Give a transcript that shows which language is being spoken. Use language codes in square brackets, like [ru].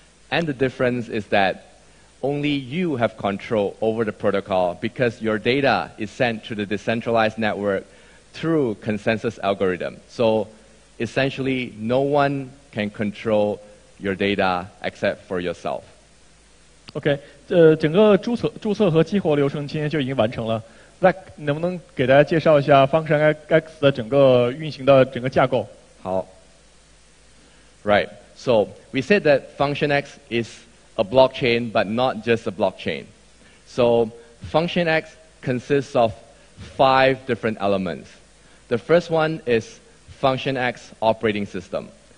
[en] And the difference is that only you have control over the protocol because your data is sent to the decentralized network through consensus algorithm. So essentially, no one can control your data except for yourself. [zh] Okay, 整个注册和激活流程今天就已经完成了. Zach, 能不能给大家介绍一下 FunctionX 的整个运行的整个架构? [en] 好.Right. So, we said that FunctionX is a blockchain, but not just a blockchain. So, FunctionX consists of five different elements. The first one is FunctionX operating system.